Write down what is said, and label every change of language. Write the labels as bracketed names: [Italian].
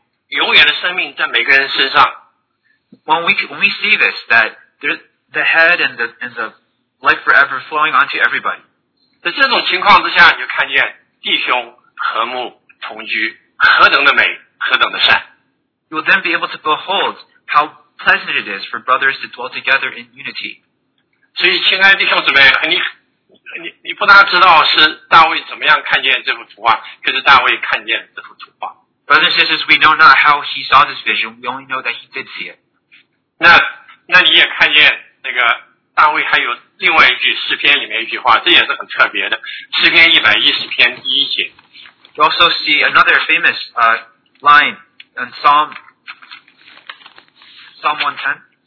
[Chinese] 所以当你看到这些这个情形，有头在这里，也有永远的生命在每个人身上。 [English] When we see this, that the head and the life forever flowing onto everybody. [Chinese] 在这种情况之下，你就看见弟兄和睦同居，何等的美，何等的善。 [English] You will then be able to behold how pleasant it is for brothers to dwell together in unity. [Chinese] 所以，亲爱的弟兄姊妹，你不大知道是大卫怎么样看见这幅图画，可是大卫看见这幅图画。 [English] Brothers and sisters, we know not how he saw this vision. We only know that he did see it. [Chinese] 那你也看见那个大卫还有另外一句诗篇里面一句话，这也是很特别的，诗篇110篇第一节。 [English] You also see another famous line in Psalm 110.